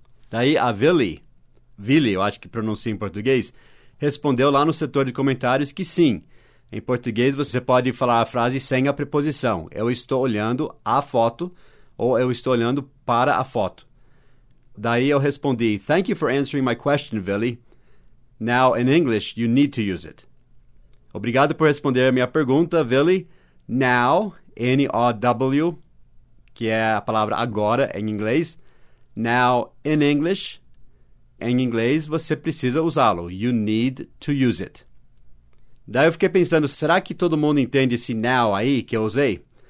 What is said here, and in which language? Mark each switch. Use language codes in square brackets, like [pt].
[pt] Daí, a Vili, eu acho que pronuncia em português, respondeu lá no setor de comentários que sim. Em português, você pode falar a frase sem a preposição. Eu estou olhando a foto ou eu estou olhando para a foto. Daí eu respondi, [en] thank you for answering my question, Vili. Now, in English, you need to use it. [pt] Obrigado por responder a minha pergunta, Vili. Now, N-O-W, que é a palavra agora em inglês. [en] Now, in English, [pt] em inglês, você precisa usá-lo. [en] You need to use it. [pt] Daí eu fiquei pensando, será que todo mundo entende esse now aí que eu usei?